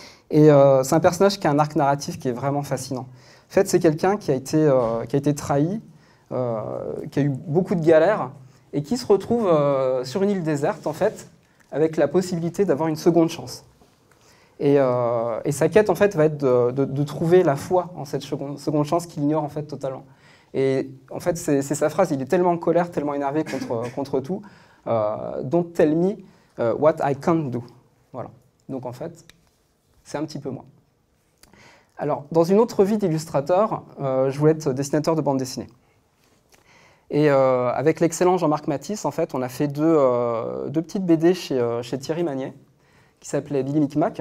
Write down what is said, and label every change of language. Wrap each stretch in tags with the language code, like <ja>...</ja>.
<fr>Et c'est un personnage qui a un arc narratif qui est vraiment fascinant. En fait, c'est quelqu'un qui a été trahi, qui a eu beaucoup de galères et qui se retrouve sur une île déserte en fait, avec la possibilité d'avoir une seconde chance. Et sa quête en fait va être de trouver la foi en cette seconde chance qu'il ignore en fait totalement. Et en fait c'est sa phrase. Il est tellement en colère, tellement énervé contre tout.</fr> <en>Don't tell me what I can't do.</en> <fr>Voilà. Donc en fait c'est un petit peu moi. Alors dans une autre vie d'illustrateur, je voulais être dessinateur de bande dessinée. Et avec l'excellent Jean-Marc Matisse, en fait, on a fait deux petites BD chez Thierry Magnier, qui s'appelaient Lily Micmac.</fr>